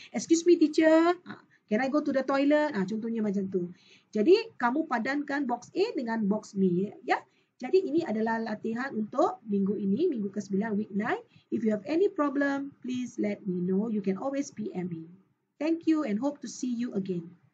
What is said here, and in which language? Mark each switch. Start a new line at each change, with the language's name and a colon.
English: Excuse me teacher, can I go to the toilet?
Malay: Contohnya macam tu. Jadi, kamu padankan box A dengan box B. Ya? Jadi, ini adalah latihan untuk minggu ini, minggu ke-9, week 9.
English: If you have any problem, please let me know. You can always PM me. Thank you and hope to see you again.